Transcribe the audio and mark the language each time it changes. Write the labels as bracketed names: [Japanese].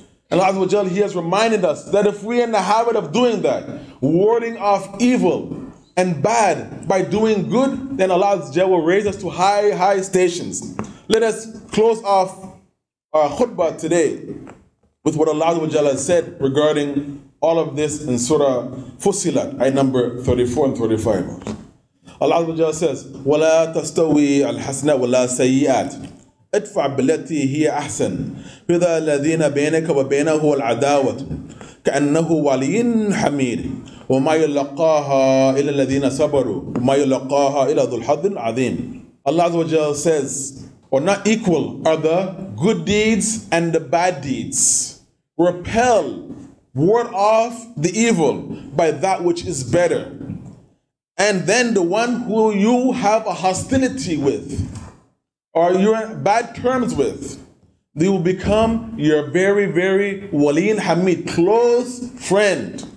[English] And Allah Azza wa Jal, He has reminded us that if we are in the habit of doing that, warding off evil and bad by doing good, then Allah Azza wa Jal will raise us to high, high stations. Let us close off our khutbah today with what Allah Azza wa Jal has said regarding all of this in Surah Fussilat, ayah number 34 and 35. Allah Azza wa Jal says, [Arabic] وَلَا تَسْتَوِي الْحَسْنَةُ وَلَا سَيِّئَاتُ ادفع بالتي هي احسن فاذا الذين بينك وبينه العداوه كانه ولي حميد وما يلقاها الا الذين صبروا وما يلقاها الا ذو الحظ العظيم. [English] Allah Azza wa Jal says, or not equal are the good deeds and the bad deeds. Repel, ward off the evil by that which is better. And then the one who you have a hostility with, or you're in bad terms with, they will become your very, very wali al-hamid, close friend.